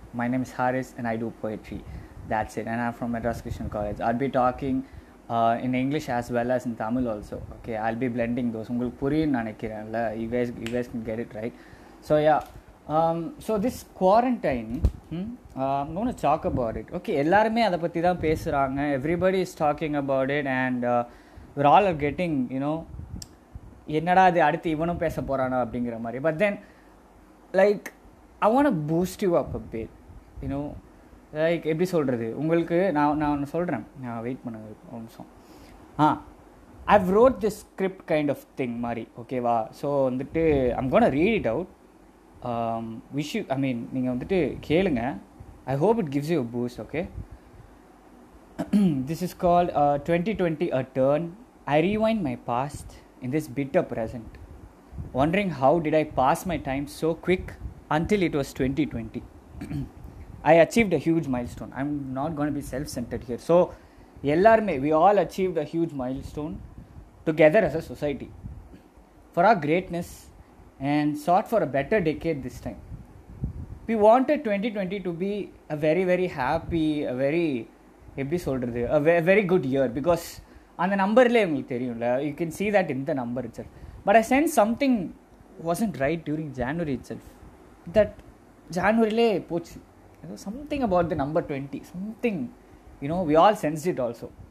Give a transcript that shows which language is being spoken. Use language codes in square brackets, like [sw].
[en] My name is Haris and I do poetry. That's it. And I'm from Madras Christian College. I'll be talking in English as well as in Tamil also. Okay, I'll be blending those. You guys can get it right. So, yeah. So this quarantine, I'm going to talk about it. [ta] Okay, ellarume adha patti dhaan pesuranga. [en] Everybody is talking about it and we're all are getting, you know, [ta] என்னடா அது அடுத்து இவனும் பேச போகிறானோ அப்படிங்கிற மாதிரி. [en] but then like I want a boost you up a bit, you know, like [ta] எப்படி சொல்கிறது உங்களுக்கு. நான் சொல்கிறேன், நான் வெயிட் பண்ணுங்க ஒரு நிமிஷம். ஆ, [en] I have wrote this script kind of thing [ta] மாதிரி, ஓகேவா? [en] so [ta] வந்துட்டு [en] I'm gonna read it out. Wish you, I mean [ta] நீங்கள் வந்துட்டு கேளுங்க. [en] I hope it gives you a boost. Okay, this is called 2020 a turn. I rewind my past in this bitter present, wondering how did I pass my time so quick until it was 2020. I achieved a huge milestone. I'm not going to be self-centered here. So, we all achieved a huge milestone together as a society for our greatness and sought for a better decade this time. We wanted 2020 to be a very, very happy, a very, [ta] எப்படி சொல்றது, [en] a very good year, because [ta] அந்த நம்பர்லேயே உங்களுக்கு தெரியும்ல, [en] You can see that in the number itself. But I sense something wasn't right during January itself. That [ta] ஜான்வரிலே போச்சு, ஏதோ [en] Something about the number 20, something, you know, we all sensed it also.